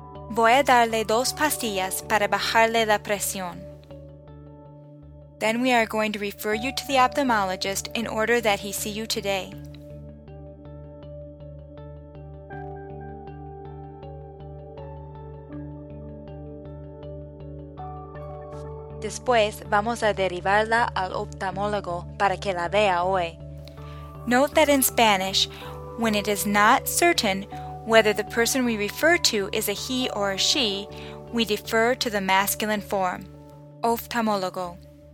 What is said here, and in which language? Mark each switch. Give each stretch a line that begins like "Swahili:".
Spanish: Voy a darle dos pastillas para bajarle la presión.
English: Then we are going to refer you to the ophthalmologist in order that he see you today.
Spanish: Después, vamos a derivarla al oftalmólogo para que la vea hoy.
English: Note that in Spanish, when it is not certain whether the person we refer to is a he or a she, we defer to the masculine form, oftalmólogo.